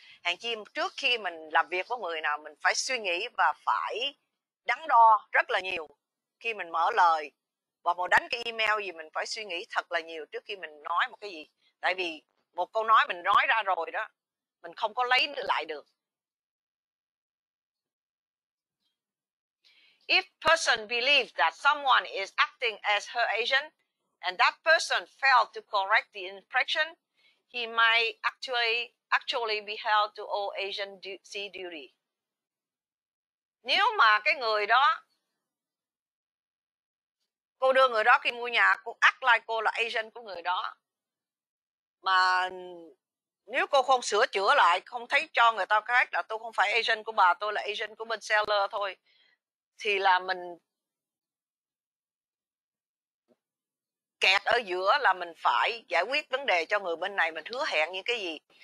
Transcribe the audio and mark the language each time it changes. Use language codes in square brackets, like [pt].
[vi] Hèn chi trước khi mình làm việc với người nào, mình phải suy nghĩ và phải đắn đo rất là nhiều. Khi mình mở lời và một đánh cái email gì, mình phải suy nghĩ thật là nhiều trước khi mình nói một cái gì. Tại vì một câu nói mình nói ra rồi đó, mình không có lấy lại được. [en] If person believed that someone is acting as her agent, and that person failed to correct the infraction, he might actually be held to owe agency duty. [vi] Nếu mà cái người đó, cô đưa người đó khi mua nhà, cô [en] act like [vi] cô là agent của người đó, mà nếu cô không sửa chữa lại, không thấy cho người ta cách là tôi không phải agent của bà, tôi là agent của bên seller thôi, thì là mình kẹt ở giữa, là mình phải giải quyết vấn đề cho người bên này, mình hứa hẹn những cái gì.